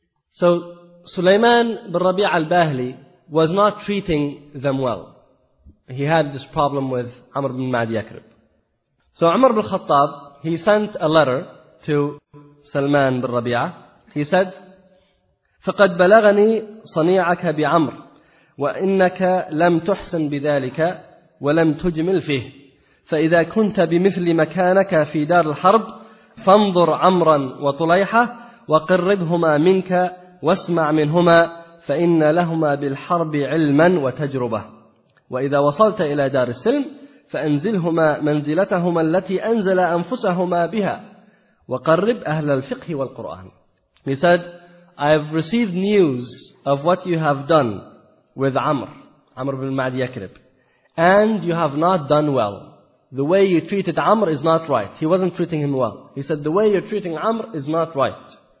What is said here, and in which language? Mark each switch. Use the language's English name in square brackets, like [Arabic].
[English] So Sulaiman bin Rabi' al-Bahli was not treating them well. He had this problem with Amr bin Ma'di Yakrib. So Umar bin Khattab, he sent a letter to Salman bin Rabi'ah. He said, [Arabic] فقد بلغني صنيعك بعمر وإنك لم تحسن بذلك ولم تجمل فيه فإذا كنت بمثل مكانك في دار الحرب فانظر عمرا وطليحة وقربهما منك واسمع منهما فإن لهما بالحرب علما وتجربة وإذا وصلت إلى دار السلم فأنزلهما منزلتهما التي أنزل أنفسهما بها وقرب أهل الفقه والقرآن. [English] He said, I have received news of what you have done with Amr, Amr bin Ma'd Yakrib, and you have not done well. The way you treated Amr is not right. He wasn't treating him well. He said, the way you're treating Amr is not right.